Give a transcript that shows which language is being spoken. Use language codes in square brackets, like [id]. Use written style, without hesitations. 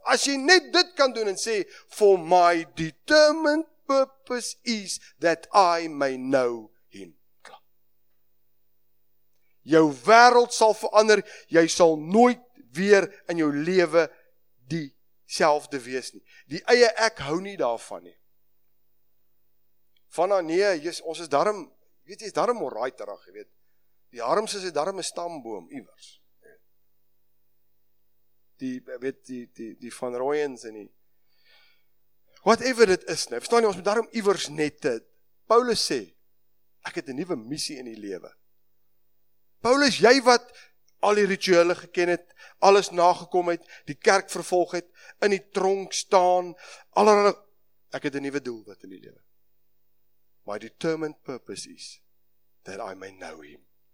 [af] As jy net dit kan doen en sê, [en] for my determined purpose is that I may know. [af] Jou wêreld sal verander, jy sal nooit weer in jou lewe dieselfde wees nie. Die eie ek hou nie daarvan nie. Fanna, nee, ons is darm, weet jy, is darm alrighterig, weet. Die Harmse is darm 'n stamboom iewers. Die van Rooyens en die whatever dit is nie. Verstaan jy, ons moet darm iewers net te. Paulus sê, ek het 'n nuwe missie in die lewe. Paulus, jy wat al die rituele geken het, alles nagekom het, die kerk vervolg het, in die tronk staan, allerlei, ek het 'n nuwe doel wat in die lewe. [en] My determined purpose is that I may know him.